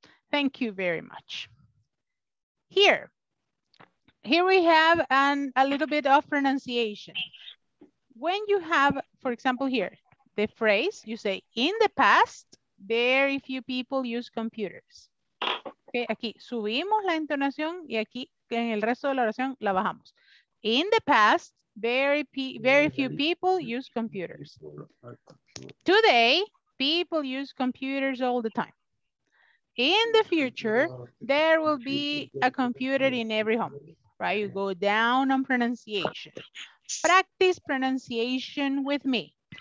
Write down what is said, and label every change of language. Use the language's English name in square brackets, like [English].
[English] Thank you very much. Here we have a little bit of pronunciation. When you have, for example, here, the phrase, you say, in the past, very few people use computers. [Spanish] Okay, aquí subimos la entonación y aquí en el resto de la oración la bajamos. [English] In the past, very few people use computers. Today, people use computers all the time. In the future, there will be a computer in every home. Right, you go down on pronunciation. Practice pronunciation with me.